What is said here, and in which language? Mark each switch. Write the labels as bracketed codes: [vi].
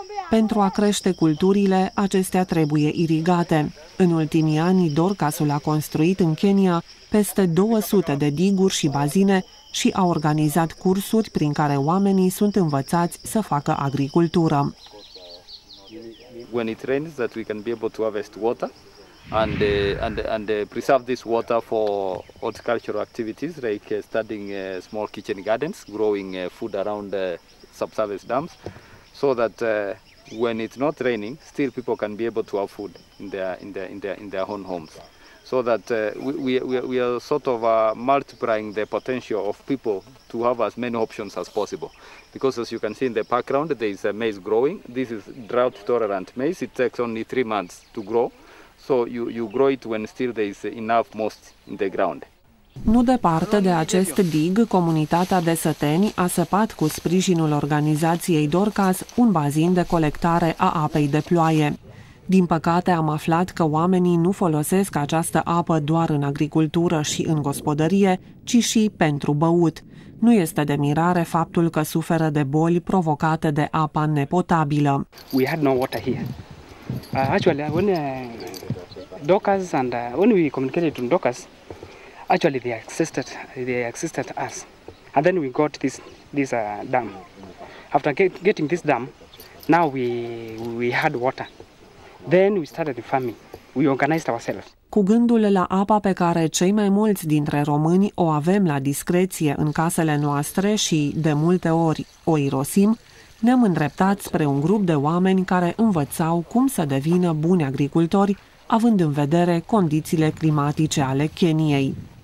[ro] Pentru a crește culturile, acestea trebuie irigate. În ultimii ani, Dorcasul a construit în Kenya peste 200 de diguri și bazine și a organizat cursuri prin care oamenii sunt învățați să facă agricultură. [en] When it rains, that we can be able to harvest water and preserve this water for horticultural activities like studying small kitchen gardens, growing food around subsurface dams, so that when it's not raining, still people can be able to have food in their own homes. So that we are sort of multiplying the potential of people to have as many options as possible. Because as you can see in the background, there is a maize growing. This is drought tolerant maize. It takes only 3 months to grow. So you grow it when still there is enough moist in the ground. [ro] Nu departe de acest dig, comunitatea de săteni a săpat cu sprijinul organizației Dorcas un bazin de colectare a apei de ploaie. Din păcate, am aflat că oamenii nu folosesc această apă doar în agricultură și în gospodărie, ci și pentru băut. Nu este de mirare faptul că suferă de boli provocate de apa nepotabilă. [en] We had no water here. Actually, when Dorcas and when we communicated to Dorcas, actually they accessed us. And then we got this dam. After getting this dam, now we had water. Then we started farming. We organized ourselves. [ro] Cu gândul la apa pe care cei mai mulți dintre români o avem la discreție în casele noastre și de multe ori o irosim, ne-am îndreptat spre un grup de oameni care învățau cum să devină buni agricultori, având în vedere condițiile climatice ale Keniei.